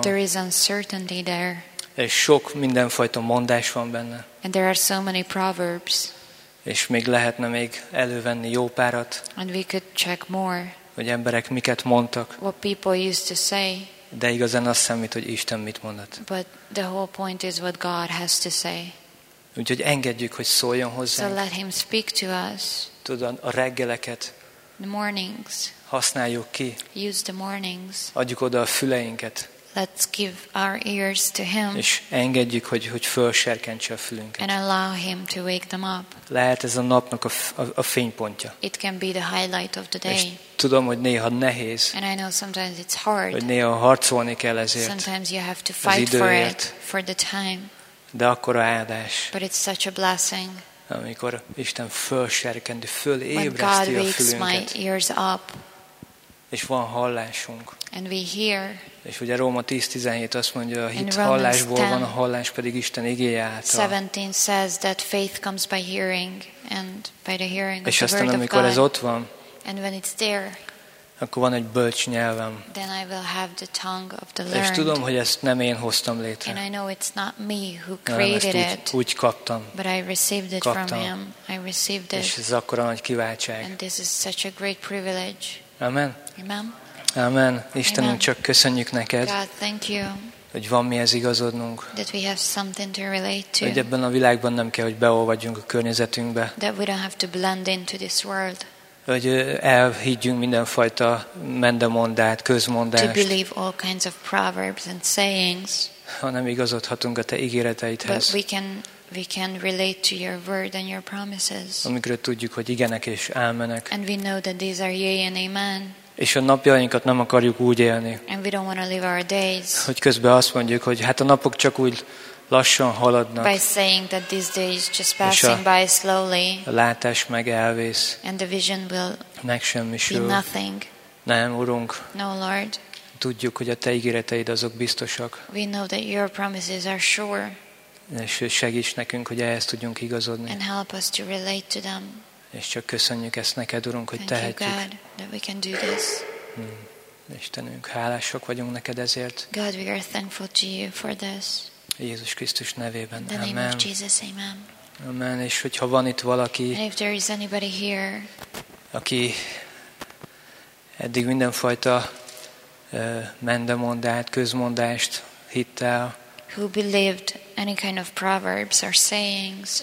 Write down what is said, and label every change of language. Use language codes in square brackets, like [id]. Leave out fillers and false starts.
[en] There is uncertainty there. [hu] És sok mindenfajta mondás van benne. [en] And there are so many proverbs. [hu] És még lehetne még elővenni jó párat. [en] And we could check more. [hu] Hogy emberek miket mondtak. [en] What people used to say. [hu] De igazán azt számít, hogy Isten mit mondott. [en] But the whole point is what God has to say. [hu] Úgyhogy engedjük, hogy szóljon hozzánk. [en] So let him speak to us. [hu] Tudod, a reggeleket. [en] The mornings. [hu] Használjuk ki. [en] Use the mornings. [hu] Adjuk oda a füleinket. [en] Let's give our ears to him. [hu] És engedjük, hogy felserkentse a fülünket. [en] And allow him to wake them up. [hu] Lehet ez a napnak a fénypontja. [en] It can be the highlight of the day. [hu] És tudom, hogy néha nehéz. [en] And I know sometimes it's hard. [hu] Hogy néha harcolni kell ezért. [en] Sometimes you have to fight for it, for the time. [hu] De akkora áldás. [en] But it's such a blessing. [hu] Amikor Isten felserkenti, fölébreszti a fülünket. [en] When God wakes my ears up. [hu] És van hallásunk. [en] And we hear. [hu] És ugye Róma 10:17 azt mondja, a hit hallásból van, a hallás pedig Isten igéje által. [en] 17 says that faith comes by hearing and by the hearing of the word of God. [hu] És aztán amikor ez ott van, [en] and when it's there, [hu] akkor van egy bölcs nyelvem. [en] Then I will have the tongue of the learned. [hu] És tudom, hogy ezt nem én hoztam létre. [en] And I know it's not me who created it. [hu] Úgy kaptam. [en] But I received it [hu] kaptam. [en] From him. I received it. [hu] És ez akkora nagy kiváltság. [en] And this is such a great privilege. [hu] Amen. [en] Amen. [hu] Amen. Istenünk, amen. Csak köszönjük neked, [en] God, thank you, [hu] hogy van mihez igazodnunk, [en] that we have something to relate to, [hu] hogy ebben a világban nem kell, hogy beolvadjunk a környezetünkbe, [en] that we don't have to blend into this world, [hu] hogy elhiggyünk mindenfajta mendemondát, közmondást, [en] to believe all kinds of proverbs and sayings, [hu] hanem igazodhatunk a te ígéreteidhez, [en] but we can we can relate to your word and your promises. [hu] Amikről tudjuk, hogy igenek és ámenek. [en] And we know that these are yea and amen. [hu] És a napjainkat nem akarjuk úgy élni. [en] And we don't want to live our days. [hu] Hogy közben azt mondjuk, hogy hát a napok csak úgy lassan haladnak. [en] By saying that these days just passing by slowly. [hu] A látás meg elvész. [en] And the vision will [hu] megsemmisül. [en] Be nothing. [hu] Nem, Urunk. [en] No, Lord. [hu] Tudjuk, hogy a te ígéreteid azok biztosak. [en] We know that your promises are sure. [hu] És segíts nekünk, hogy ehhez tudjunk igazodni. [en] And help us to relate to them. [hu] És csak köszönjük ezt neked, Urunk, hogy [en] thank [hu] tehetjük. [en] God, that we can do this. [hu] Istenünk, hálásak vagyunk neked ezért. [en] God, we are thankful to you for this. [hu] Jézus Krisztus nevében. [en] The name [hu] amen. [en] Of Jesus, amen. [hu] Amen. És hogyha van itt valaki, [en] and if there is anybody here, [hu] aki eddig mindenfajta mendemondát, közmondást hittel, [en] who believed any kind of proverbs or sayings,